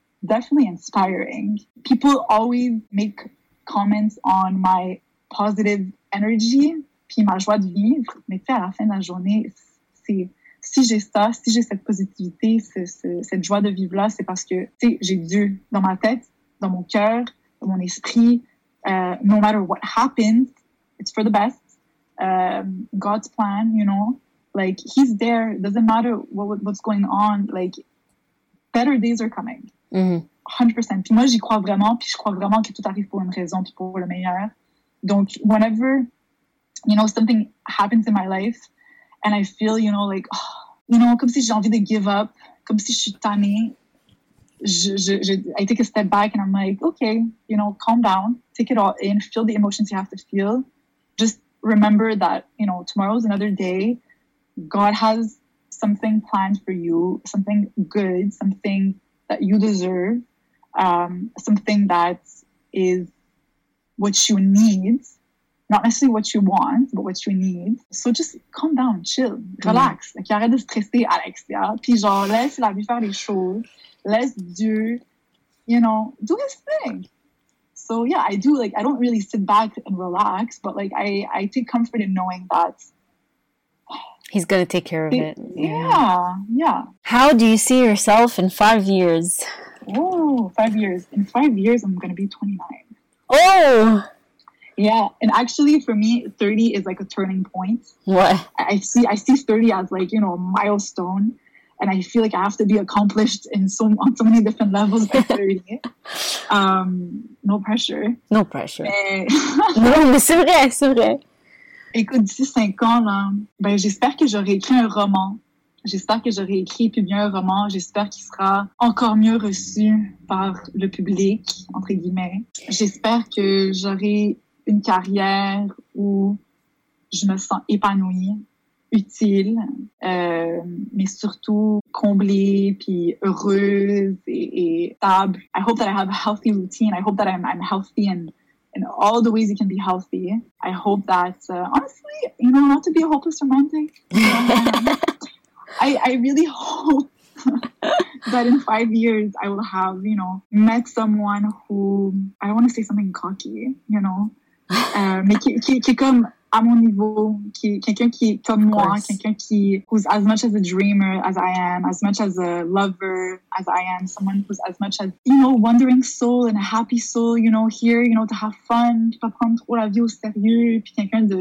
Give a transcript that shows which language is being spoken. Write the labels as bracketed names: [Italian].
[English] Definitely inspiring. People always make comments on my positive energy, [French] puis ma joie de vivre. Mais tu sais, à la fin de la journée, c'est si j'ai ça, si j'ai cette positivité, cette joie de vivre là, c'est parce que tu sais, j'ai Dieu dans ma tête, dans mon cœur, dans mon esprit. [English] No matter what happens, it's for the best. God's plan, you know, like He's there. Doesn't matter what's going on, like. better days are coming. Mm-hmm. [French] 100%. Puis moi, j'y crois vraiment. Puis je crois vraiment que tout arrive pour une raison, puis pour le meilleur. [English] Donc, whenever, you know, something happens in my life, and I feel, you know, like, oh, you know, [French] comme si j'ai envie de [English] give up, [French] comme si je suis tannée, [English] I take a step back, and I'm like, okay, you know, calm down, take it all in, feel the emotions you have to feel. Just remember that, you know, tomorrow's another day. God has something planned for you, something good, something that you deserve, something that is what you need, not necessarily what you want, but what you need. So just calm down, chill, relax. Mm. Like, [French] arrête de stresser, Alexia. Puis genre, laisse la vie faire les choses. Laisse Dieu, [English] you know, do his thing. So yeah, I do, like, I don't really sit back and relax, but like, I take comfort in knowing that he's going to take care of it. Yeah. How do you see yourself in 5 years? Oh, 5 years. In 5 years, I'm going to be 29. Oh! Yeah. And actually, for me, 30 is like a turning point. What? I see 30 as like, you know, a milestone. And I feel like I have to be accomplished on so many different levels by 30. No pressure. [French] Mais... non, mais c'est vrai. Écoute, d'ici 5 ans, là, ben, j'espère que j'aurai écrit un roman. J'espère que j'aurai écrit et publié un roman. J'espère qu'il sera encore mieux reçu par le public, entre guillemets. J'espère que j'aurai une carrière où je me sens épanouie, utile, mais surtout comblée, puis heureuse et stable. [English] I hope that I have a healthy routine. I hope that I'm healthy in all the ways you can be healthy. I hope that, honestly, you know, not to be a hopeless romantic. I really hope that in 5 years I will have, you know, met someone who, I don't want to say something cocky, you know, [French] mais qui est comme à mon niveau, quelqu'un qui [English] est comme moi, quelqu'un qui, who's as much as a dreamer as I am, as much as a lover as I am, someone who's as much as, you know, wandering soul and a happy soul, you know, here, you know, to have fun, [French] puis pas prendre trop la vie au sérieux, puis quelqu'un